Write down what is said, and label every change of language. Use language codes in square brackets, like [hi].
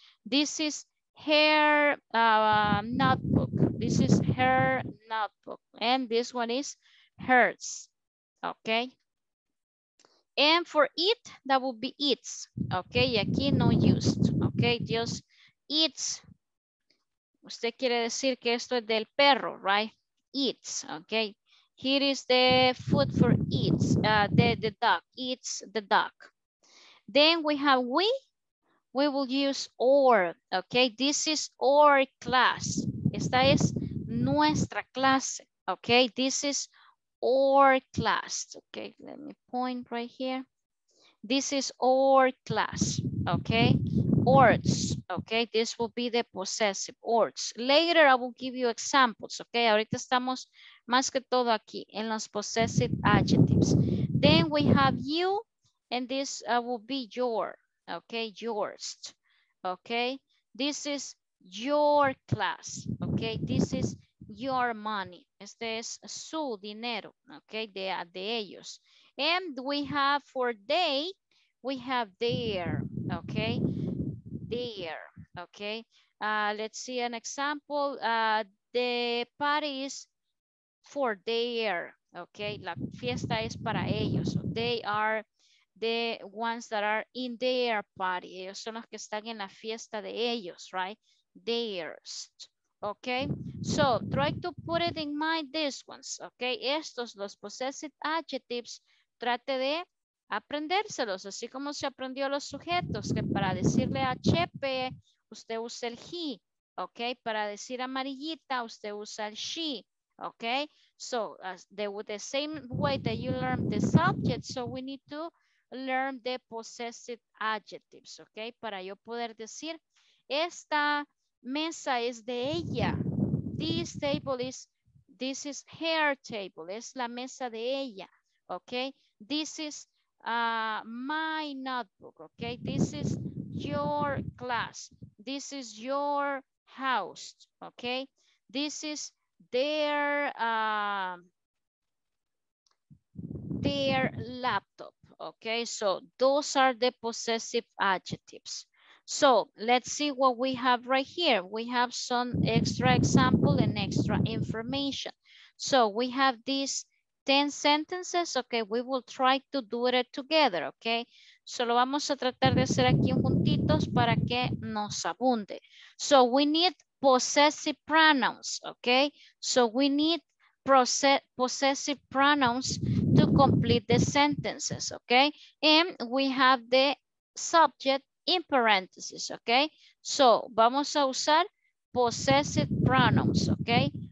[en] This is her notebook. This is her notebook. And this one is hers, okay? And for it, that would be its, okay? Aquí no used, okay? Just its. [es] Usted quiere decir que esto es del perro, right? [en] Its, okay? Here is the food for eats, the dog, eats the dog. Then we have we will use our, okay? This is our class. [es] Esta es nuestra clase, [en] okay? This is our class, okay? Let me point right here. This is our class, okay? Ours, okay? This will be the possessive, ours. Later I will give you examples, okay? [es] Ahorita estamos más que todo aquí en los possessive adjectives. [en] Then we have you, and this will be your, okay? Yours, okay? This is your class, okay? This is your money. [es] Este es su dinero, [en] okay? [es] De ellos. [en] And we have for they, we have their, okay? Their, okay? Let's see an example. The party is for their, okay? [es] La fiesta es para ellos. [en] They are the ones that are in their party. [es] Ellos son los que están en la fiesta de ellos, right? [en] Theirs, okay? So try to put it in mind, these ones, okay? [es] Estos, los possessive adjectives, trate de aprendérselos, así como se aprendió los sujetos, que para decirle a Chepe, usted usa el he, okay? Para decir amarillita, usted usa el she, okay? [en] So the same way that you learn the subject, so we need to learn the possessive adjectives, okay? [es] Para yo poder decir, esta mesa es de ella. [en] This table is, this is her table, [es] es la mesa de ella. [en] Okay, this is my notebook, okay? This is your class, this is your house, okay? This is their laptop, okay? So those are the possessive adjectives. So let's see what we have right here. We have some extra example and extra information. So we have this 10 sentences, okay, we will try to do it together, okay? [es] Solo vamos a tratar de hacer aquí juntitos para que nos abunde. [en] So we need possessive pronouns, okay? So we need possessive pronouns to complete the sentences, okay? And we have the subject in parentheses, okay? [es] So vamos a usar possessive pronouns, okay?